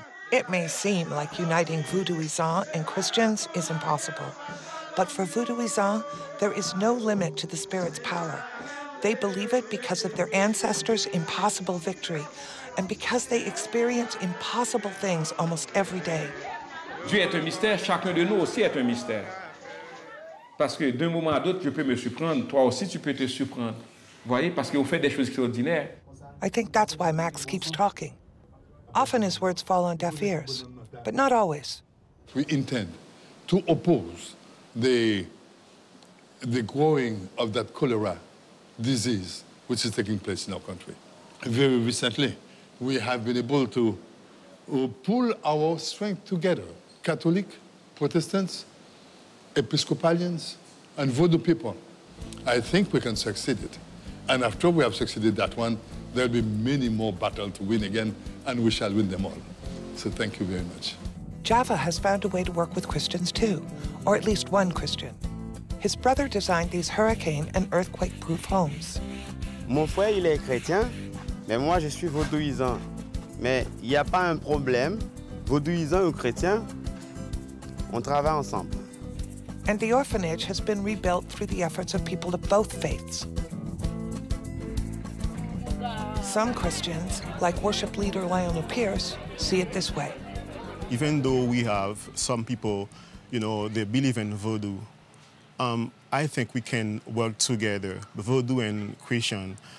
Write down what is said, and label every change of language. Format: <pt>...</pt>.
<en>It may seem like uniting Voodooisans and Christians is impossible, but for Voodooisans, there is no limit to the spirit's power. They believe it because of their ancestors' impossible victory, and because they experience impossible things almost every day.</en> <fr>Dieu est un mystère, chacun de nous aussi est un mystère. Parce que d'un moment à l'autre, je peux me surprendre, toi aussi tu peux te surprendre. Voyez, parce que vous faites des choses extraordinaires.</fr> <en>I think that's why Max keeps talking. Often his words fall on deaf ears, but not always. We intend to oppose the growing of that cholera disease which is taking place in our country. Very recently, we have been able to pull our strength together, Catholic, Protestants, Episcopalians, and Voodoo people. I think we can succeed it. And after we have succeeded that one, there'll be many more battles to win again, and we shall win them all. So thank you very much. Java has found a way to work with Christians too, or at least one Christian. His brother designed these hurricane and earthquake-proof homes.</en> <fr>Mon frère, il est chrétien, mais moi, je suis vaudouisant. Mais il n'y a pas un problème, vaudouisant ou chrétien, on travaille ensemble.</fr> <en>And the orphanage has been rebuilt through the efforts of people of both faiths. Some Christians, like worship leader Lionel Pierce, see it this way. Even though we have some people, you know, they believe in voodoo, I think we can work together, voodoo and Christian.</en>